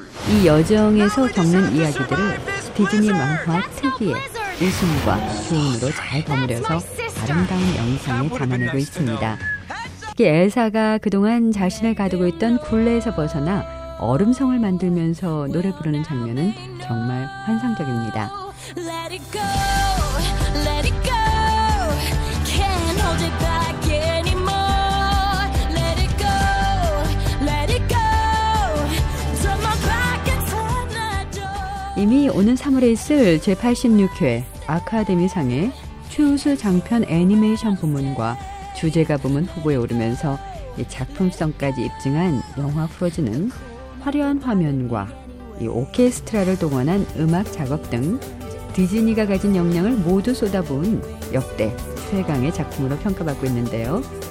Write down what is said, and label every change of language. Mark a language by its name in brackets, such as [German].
[Korean] 이 여정에서 겪는 이야기들을 디즈니 만화 특유의 웃음과 기운으로 잘 버무려서 아름다운 영상에 담아내고 있습니다. 특히 엘사가 그동안 자신을 가두고 있던 굴레에서 벗어나 얼음성을 만들면서 노래 부르는 장면은 정말 환상적입니다. [English] Let it go. Let it go. Can't hold it back anymore. Let it go. Let it go. Turn my back and turn the door. [Korean] 이미 오는 3월에 있을 제86회 아카데미상의 최우수 장편 애니메이션 부문과 주제가 부문 후보에 오르면서 작품성까지 입증한 영화 프로즈는 화려한 화면과 이 오케스트라를 동원한 음악 작업 등 디즈니가 가진 역량을 모두 쏟아부은 역대 최강의 작품으로 평가받고 있는데요.